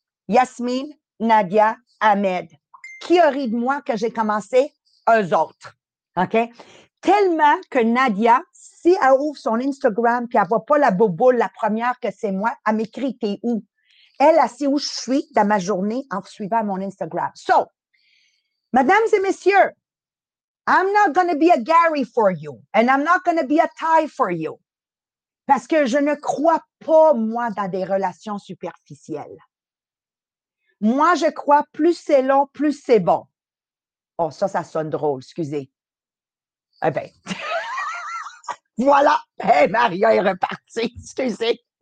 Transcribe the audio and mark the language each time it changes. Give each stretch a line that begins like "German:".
French: Yasmine, Nadia, Ahmed. Qui a ri de moi que j'ai commencé? Eux autres. OK? Tellement que Nadia, si elle ouvre son Instagram puis elle voit pas la boboule, la première que c'est moi, elle m'écrit « T'es où? » Elle, elle sait où je suis dans ma journée en suivant mon Instagram. So, mesdames et messieurs,
English: I'm not going to be a Gary for you. And I'm not going to be a Ty for you.
French: Parce que je ne crois pas, moi, dans des relations superficielles. Moi, je crois plus c'est long, plus c'est bon. Oh, ça, ça sonne drôle. Excusez. Eh bien. Voilà. Hé, hey, Maria est repartie. Excusez.